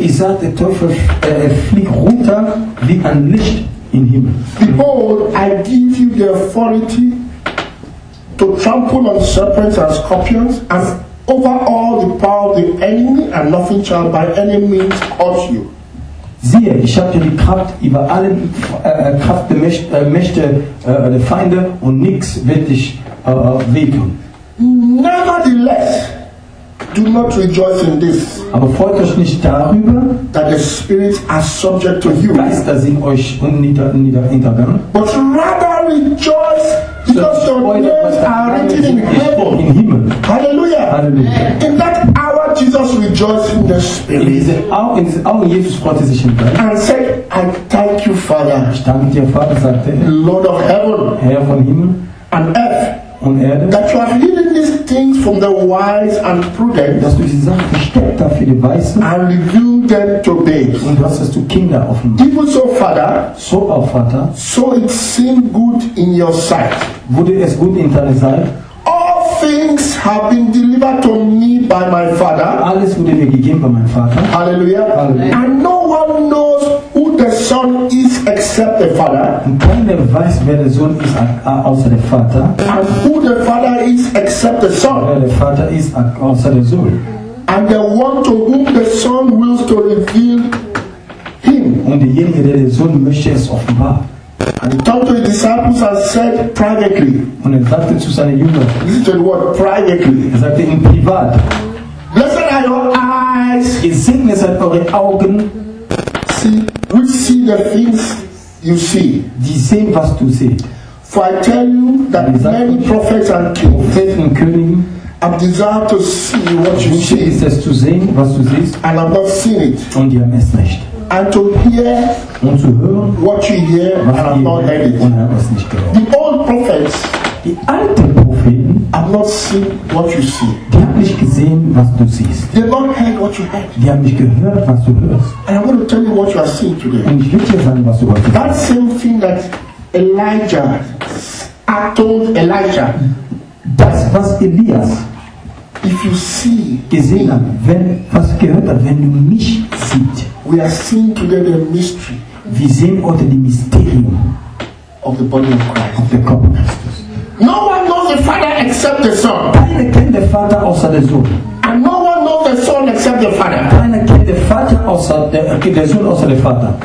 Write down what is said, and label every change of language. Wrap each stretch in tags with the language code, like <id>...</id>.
<en>He said the</en> <de>Teufel fliegt runter wie ein Licht</de> <en>in him. Behold, I give you the authority to trample on serpents and scorpions and over all the power of the enemy, and nothing shall by any means cause you.</en> <de>Siehe, ich habe dir die Kraft über alle Kraft der Mächte der Feinde und nichts wird dich wehtun.</de> <en>Nevertheless, do not rejoice in this.</en> <de>Aber freut euch nicht darüber,</de> <en>that the spirits are subject to you.</en> <de>Geister sind euch untergegangen.</de> <en>But rather rejoice because your names are written in heaven.</en> <de>In Himmel. Hallelujah. Hallelujah.</de> <en>In that hour, Jesus rejoiced in the spirit.</en> <de>In diesem Augen, Jesus freute sich im Geist.</de> <en>And said, I thank you, Father.</en> <de>Ich danke dir, Vater, sagte er.</de> <en>Lord of heaven.</en> <de>Herr von Himmel.</de> <en>And earth.</en> <de>Und Erde,</de> <en>that you have hidden these things from the wise and prudent,</en> <de>dass du diese Sachen versteckt hast für die Weisen,</de> <en>and revealed them to babes,</en> <de>und du hast es zu Kindern offenbart.</de> <en>Even so, Father,</en> <de>so auch Vater,</de> <en>so it seemed good in your sight,</en> <de>wurde es gut in deiner Sicht.</de> <en>All things have been delivered to me by my Father.</en> <de>Alles wurde mir gegeben bei meinem Vater. Halleluja. Halleluja.</de> <en>And no one knows who the Son is except the Father.</en> <de>Und keiner weiß, wer der Sohn ist außer der Vater.</de> <en>And who the Father is except the Son.</en> <de>Wer der Vater ist außer der Sohn.</de> <en>And the one to whom the Son wills to reveal him.</en> <de>Und derjenige, der den Sohn möchte, es offenbart.</de> <en>And he talked to his disciples and said privately.</en> <de>Und er sagte zu seinen Jüngern.</de> <en>Listen to the word privately.</en> <de>Er sagte in privat.</de> <en>Blessed are your eyes.</en> <de>Gesegnet sind eure Augen.</de> <en>See, which see the things you see.</en> <de>Die sehen, was du siehst.</de> <en>For I tell you that many prophets and kings</en> <de>und Königen</de> <en>have desired to see what you see.</en> <de>Es zu sehen, was du siehst.</de> <en>And have not seen it.</en> <de>Und die haben es nicht.</de> <en>And to hear</en> <de>und zu hören,</de> <en>what you hear</en> <de>was</de> <en>and not heard it.</en> <de>Und haben es nicht gehört.</de> <en>The old prophets,</en> <de>die alten Propheten,</de> <en>have not seen what you see.</en> <de>Die haben nicht gesehen, was du siehst.</de> <en>They have not heard what you heard.</en> <de>Die haben nicht gehört, was du hörst.</de> <en>And I want to tell you what you are seeing today.</en> <de>Und ich will dir sagen, was du heute siehst.</de> <en>That same thing that Elijah, I told Elijah,</en> <de>das was Elias,</de> <en>if you see,</en> <de>gesehen hat, wenn was gehört hat, wenn du mich siehst.</de> <en>We are seeing together the mystery.</en> <de>Wir sehen heute die Mysterium</de> <en>of the body of Christ, of the cup of Christus. No one knows the Father except the Son.</en> <de>Keiner kennt den Vater außer der Sohn.</de> <en>And no one knows the Son except the Father.</en> <de>Keiner kennt den Vater außer der Sohn außer der Vater.</de>